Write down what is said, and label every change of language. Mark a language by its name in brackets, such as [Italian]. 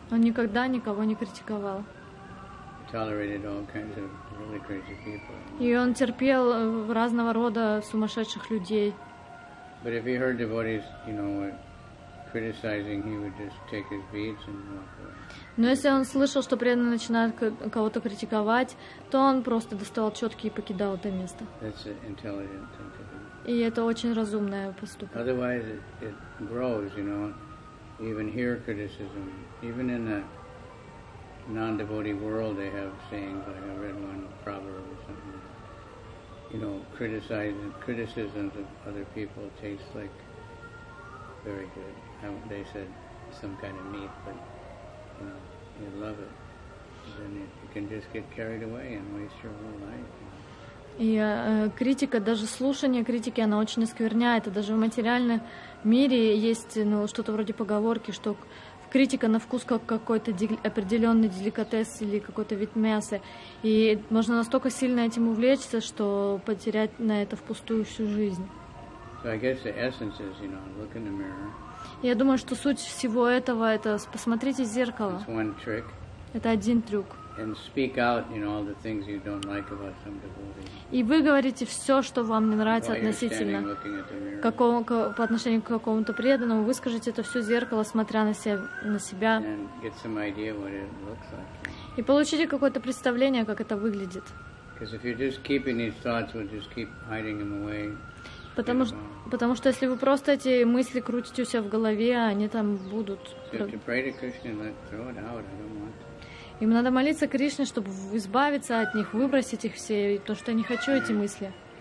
[Russian] Он никогда никого не критиковал. [English] Tolerated all kinds of really crazy people. [Russian] И он терпел разного рода сумасшедших людей. [English] But if he heard devotees, you know, criticizing, he would just take his beads and walk away. [Russian] Но если он слышал, что преданный начинает кого-то критиковать, то он просто доставал четки и покидал это место. [English] That's an intelligent thing to do. [Russian] И это очень разумное поступок. [English] Otherwise, it grows, you know. Even here, criticism, even in the non-devotee world, they have sayings like I read one proverb or something. You know, criticisms of other people taste like very good. They said some kind of meat, but you know, you love it. Then you can just get carried away and waste your whole life. [Russian] И критика, даже слушание критики, она очень оскверняет. И даже в материальном мире есть ну, что-то вроде поговорки, что критика на вкус как какой-то определенный деликатес или какой-то вид мяса. И можно настолько сильно этим увлечься, что потерять на это впустую всю жизнь. [English] So I guess the essence is, you know, look in the mirror. [Russian] Я думаю, что суть всего этого – это посмотрите в зеркало. [English] It's one trick. [Russian] Это один трюк. [English] And speak out, you know, all the things you don't like about some devotee. [Russian] И вы говорите все, что вам не нравится относительно по отношению к какому-то преданному. Выскажите это все в зеркало, смотря на себя. [English] And get some idea what it looks like. [Russian] И получите какое-то представление, как это выглядит. [English] Because if you're just keeping these thoughts, we'll just keep hiding them away. [Russian] Потому что если вы просто эти мысли крутите у себя в голове, они там будут. [English] To pray to Krishna, let throw it out. I don't want. [Russian] Им надо молиться Кришне, чтобы избавиться от них, выбросить их все, потому что я не хочу эти мысли.